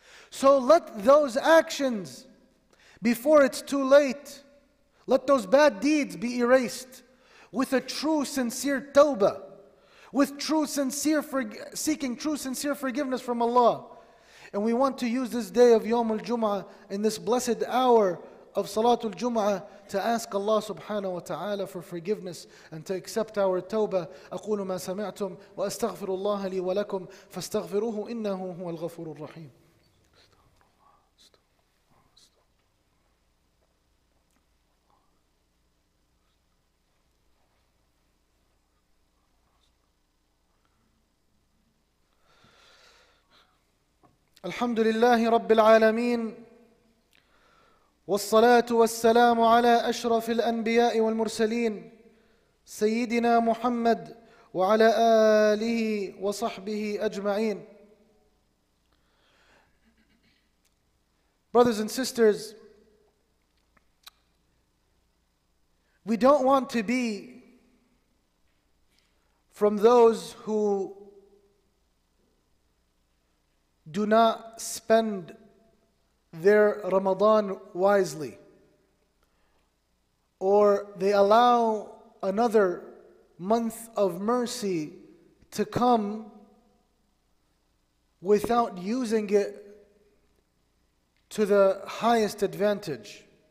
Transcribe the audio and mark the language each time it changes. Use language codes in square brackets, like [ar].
[en] So let those actions, before it's too late, let those bad deeds be erased with a true sincere tawbah, with true sincere seeking true sincere forgiveness from Allah. And we want to use this day of Yawm al-Jum'ah in this blessed hour of Salatul Jum'ah to ask Allah subhanahu wa ta'ala for forgiveness and to accept our tawbah. [ar] أقول ما سمعتم وأستغفر الله لي ولكم فاستغفروه إنه هو الغفور الرحيم. الحمد لله رب العالمين والصلاة والسلام على أشرف الأنبياء والمرسلين سيدنا محمد وعلى آله وصحبه أجمعين. [en] Brothers and sisters, we don't want to be from those who do not spend their Ramadan wisely, or they allow another month of mercy to come without using it to the highest advantage.